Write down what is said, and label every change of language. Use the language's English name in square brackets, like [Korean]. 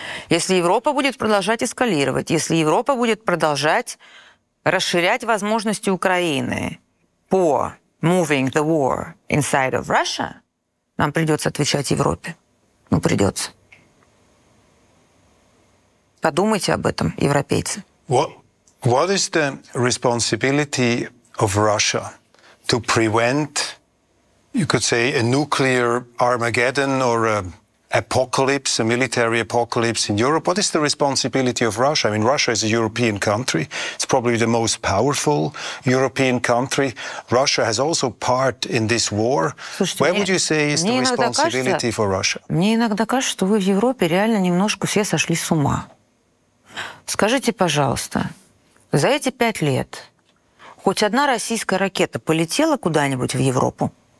[Russian] Если Европа будет продолжать эскалировать, если Европа будет продолжать расширять возможности Украины по [English] moving the war inside of Russia, [Russian] нам придется отвечать Европе. Ну, придется. Подумайте об этом, европейцы. [English] What is the responsibility of Russia to prevent, you could say, a nuclear Armageddon or an apocalypse, a military apocalypse in Europe? What is the responsibility of Russia? I mean, Russia is a European country. It's probably the most powerful European country. Russia has also part in this war. [Russian] Слушайте, [English] where would you say is the responsibility, [Russian] кажется, [English] for Russia? [Russian] Мне иногда кажется, что вы в Европе реально немножко все сошли с ума. Скажите, пожалуйста, за эти пять лет хоть одна российская ракета полетела куда-нибудь в Европу?